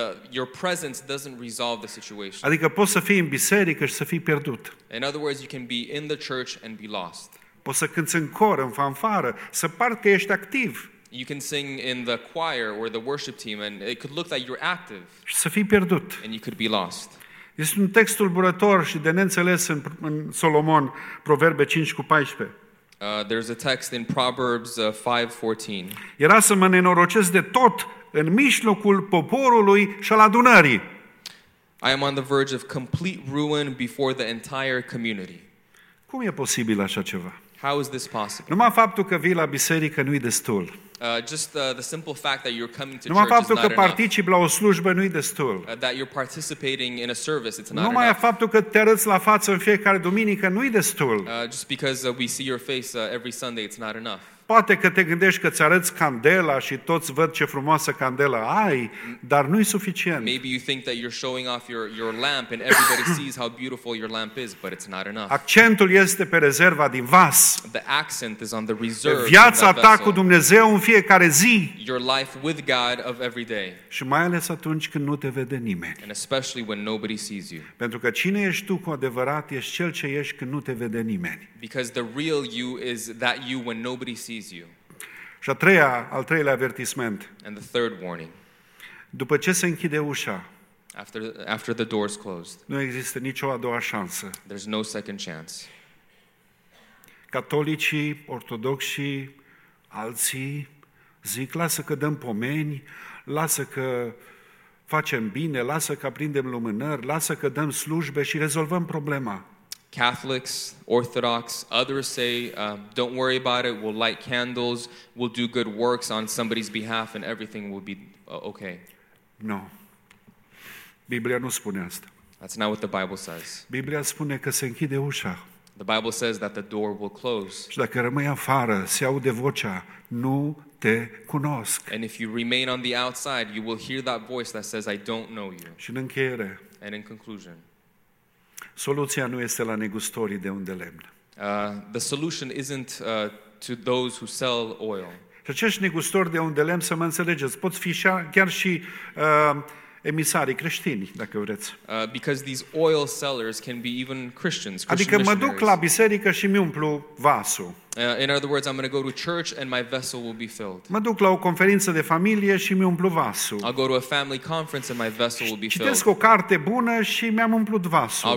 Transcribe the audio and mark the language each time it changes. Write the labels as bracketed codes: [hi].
[en] Your presence doesn't resolve the situation. [ro] Adică poți să fii în biserică și să fii pierdut. [en] In other words, you can be in the church and be lost. [ro] Poți să cânți în cor, în fanfară, să par că ești activ. [en] You can sing in the choir or the worship team and it could look like you're active. [ro] Și să fii pierdut. [en] And you could be lost. [ro] Este un text tulburător și de neînțeles în Solomon, Proverbe 5:14. [en] There's a text in Proverbs 5:14. [ro] Era să mă nenorocesc de tot în mijlocul poporului și al adunării. [en] I am on the verge of complete ruin before the entire community. [ro] Cum e posibil așa ceva? [en] How is this possible? [ro] Numai faptul că vii la biserică nu-i destul. [en] The simple fact that you're coming to church is not enough. [ro] Numai faptul că participi la o slujbă nu-i destul. [en] That you're participating in a service, it's not enough. [ro] Numai faptul că te arăți la față în fiecare duminică nu-i destul. [en] Just because we see your face every Sunday, it's not enough. [ro] Poate că te gândești că ți arăți candela și toți văd ce frumoasă candelă ai, dar nu-i suficient. [en] Maybe you think that you're showing off your lamp and everybody sees how beautiful your lamp is, but it's not enough. [ro] Accentul este pe rezerva din vas. [en] The accent is on the reserve. [ro] Viața ta cu Dumnezeu în fiecare zi. [en] Your life with God of every day. [ro] Și mai ales atunci când nu te vede nimeni. [en] And especially when nobody sees you. [ro] Pentru că cine ești tu cu adevărat ești cel ce ești când nu te vede nimeni. [en] Because the real you is that you when nobody sees. [ro] Și al treilea avertisment. [en] And the third warning. [ro] După ce se închide ușa, [en] after the doors closed, [ro] nu există nicio a doua șansă. [en] There's no second chance. [ro] Catolicii, ortodoxii, alții zic, lasă că dăm pomeni, lasă că facem bine, lasă că prindem lumânări, lasă că dăm slujbe și rezolvăm problema. [en] Catholics, Orthodox, others say, don't worry about it, we'll light candles, we'll do good works on somebody's behalf and everything will be okay. No. [ro] Biblia nu spune asta. [en] That's not what the Bible says. [ro] Biblia spune că se închide ușa. [en] The Bible says that the door will close. [ro] Și dacă rămâi afară, se aude vocea, nu te cunosc. [en] And if you remain on the outside, you will hear that voice that says, I don't know you. [ro] Și în încheiere. [en] And in conclusion. [ro] Soluția nu este la negustorii de unt de lemn. [en] The solution isn't to those who sell oil. [ro] Și acești negustori de unt de lemn, să mă înțelegeți, pot fi chiar și emisarii creștini, dacă vreți. [en] Because these oil sellers can be even Christians, Christian [ro] adică mă duc la biserică și mi umplu vasul. [en] In other words, I'm going to go to church and my vessel will be filled. [ro] Mă duc la o conferință de familie și mi umplu vasul. [en] I'll go to a family conference and my vessel will be [ro] citesc [en] filled. [ro] Citesc o carte bună și mi-am umplut vasul.